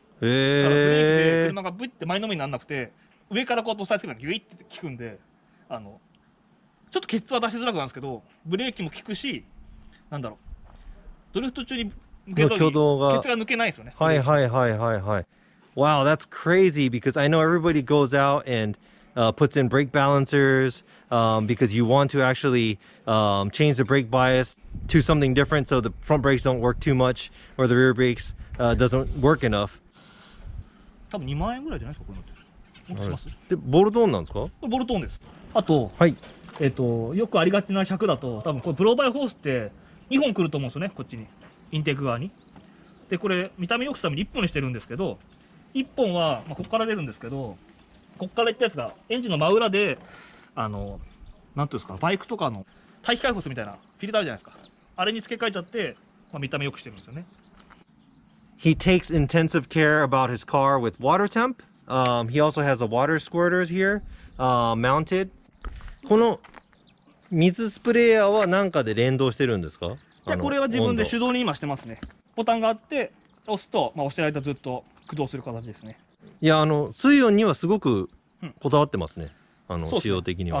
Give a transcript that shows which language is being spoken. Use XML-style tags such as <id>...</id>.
<ja>へぇー。だからブレーキで車がブイって前のめりにならなくて、上からこう押さえつけたらギュイって効くんで、あの、ちょっとケツは出しづらくなるんですけど、ブレーキも効くし、なんだろう、ドリフト中に挙動がケツが抜けないですよね。はいはいはいはいはい。</ja> <en>Wow, that's crazy because I know everybody goes out and、puts in brake balancers、because you want to actually、change the brake bias to something different so the front brakes don't work too much or the rear brakes、doesn't work enough.</en> <ja>多分2万円ぐらいじゃないですかこれのって。でボルトオンなんですか？これボルトオンです。あと、はい。よくありがちな100だと、多分これブローバイホースって2本来ると思うんですよね、こっちに、インテーク側に。で、これ、見た目よくするために1本にしてるんですけど、1本は、まあ、ここから出るんですけど、ここからいったやつが、エンジンの真裏で、なんていうんですか、バイクとかの排気解放するみたいなフィルターあるじゃないですか、あれに付け替えちゃって、まあ、見た目よくしてるんですよね。</ja> <en>He takes intensive care about his car with water temp. He also has a water squirter here, mounted.</en> <ja>この水スプレーヤーは何かで連動してるんですか？いや、これは自分で手動に今してますね。ボタンがあって押すと、まあ、押してる間ずっと駆動する形ですね。いや、あの水温にはすごくこだわってますね、うん、あの使用的には。</ja>